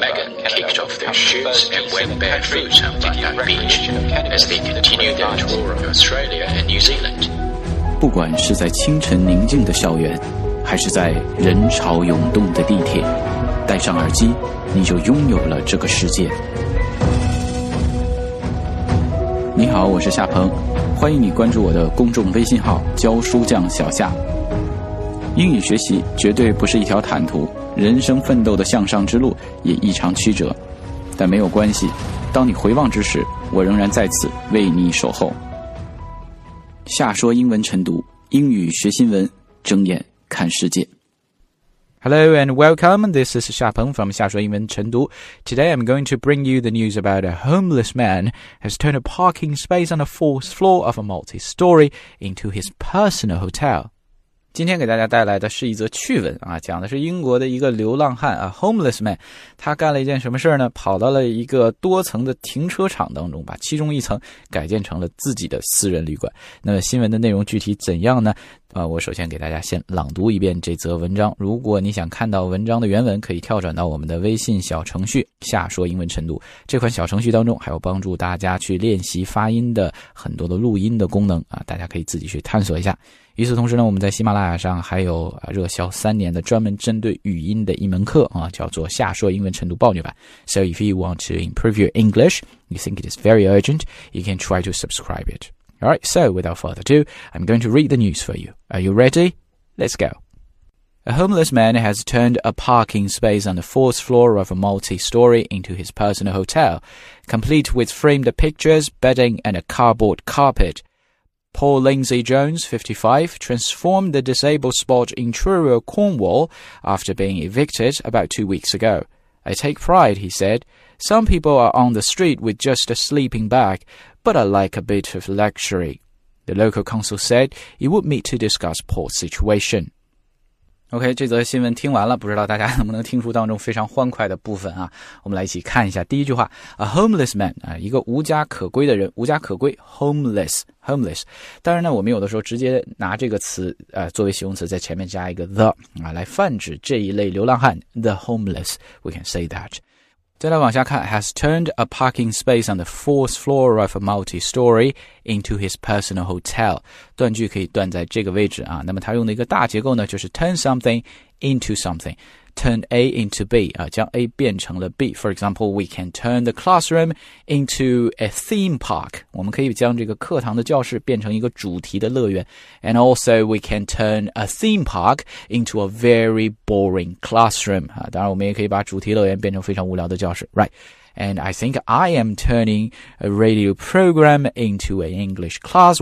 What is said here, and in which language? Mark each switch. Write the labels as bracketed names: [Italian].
[English] Megan kicked off their shoots and went barefoot on Bondi Beach as they continued their tour of Australia and New Zealand. [Chinese] 不管是在清晨宁静的校园，还是在人潮涌动的地铁，戴上耳机，你就拥有了这个世界。你好，我是夏鹏，欢迎你关注我的公众微信号教书匠小夏。英语学习绝对不是一条坦途，人生奋斗的向上之路也异常曲折，但没有关系，当你回望之时，我仍然在此为你守候。夏说英文晨读，英语学新闻，睁眼看世界。 [English] Hello and welcome, this is Xia Peng from 夏说英文晨读. Today I'm going to bring you the news about a homeless man has turned a parking space on the fourth floor of a multi-story into his personal hotel. [Chinese] 今天给大家带来的是一则趣闻啊，讲的是英国的一个流浪汉啊 ,homeless man, 他干了一件什么事呢？跑到了一个多层的停车场当中，把其中一层改建成了自己的私人旅馆。那么新闻的内容具体怎样呢？我首先给大家先朗读一遍这则文章。如果你想看到文章的原文，可以跳转到我们的微信小程序下说英文晨读。这款小程序当中还有帮助大家去练习发音的很多的录音的功能啊，大家可以自己去探索一下。与此同时呢，我们在喜马拉雅上还有热销三年的专门针对语音的一门课啊，叫做下说英文晨读暴虐版。 [English] So if you want to improve your English, you think it is very urgent, you can try to subscribe it. Alright, so without further ado, I'm going to read the news for you. Are you ready? Let's go. A homeless man has turned a parking space on the fourth floor of a multi-story into his personal hotel, complete with framed pictures, bedding and a cardboard carpet. Paul Lindsay Jones, 55, transformed the disabled spot in Truro, Cornwall after being evicted about 2 weeks ago. I take pride, he said. Some people are on the street with just a sleeping bag,but I like a bit of luxury. The local council said it would meet to discuss Paul's situation. [Chinese] OK, 这则新闻听完了，不知道大家能不能听出当中非常欢快的部分啊。我们来一起看一下第一句话。 [English] A homeless man, [Chinese] 一个无家可归的人，无家可归 , [English] homeless, homeless。 [Chinese] 当然呢，我们有的时候直接拿这个词作为形容词，在前面加一个 the, 来泛指这一类流浪汉 , [English] the homeless, we can say that. [Chinese] 再来往下看 [English] has turned a parking space on the fourth floor of a multi-story into his personal hotel. [Chinese] 断句可以断在这个位置啊。那么他用的一个大结构呢，就是 [English] turn something into something. Turn A into B, [Chinese] 将 A 变成了 B. [English] For example, we can turn the classroom into a theme park. [Chinese] 我们可以将这个课堂的教室变成一个主题的乐园。 [English] And also, we can turn a theme park into a very boring classroom. [Chinese] 当然我们也可以把主题乐园变成非常无聊的教室。 [English] Right. And I think I am turning a radio program into an English class.